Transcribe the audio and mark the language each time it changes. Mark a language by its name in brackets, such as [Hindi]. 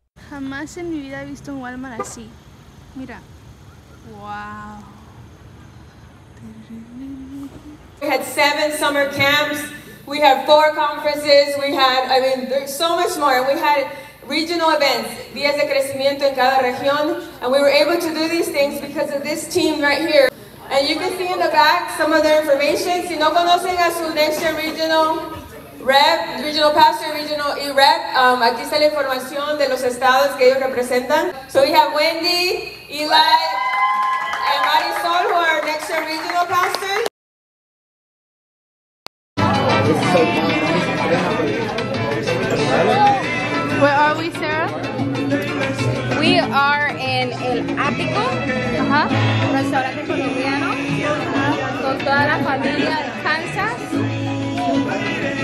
[Spanish] Jamás en mi vida he visto un Walmart así. Mira. Wow. [English] We had 7 summer camps. We had 4 conferences. We had, there's so much more. We had regional events, [Spanish] días de crecimiento en cada región. [English] And we were able to do these things because of this team right here. And you can see in the back some of their information. [Spanish] Si no conocen a su [English] next year regional rep, [Spanish] regional pastor, regional rep, aquí está la información de los estados que ellos representan. [English] So we have Wendy, Eli, and Marisol, who are next year regional pastors. Where are we, Sarah? We are in [Spanish] El Apico, restaurante colombiano, con toda la familia de Kansas.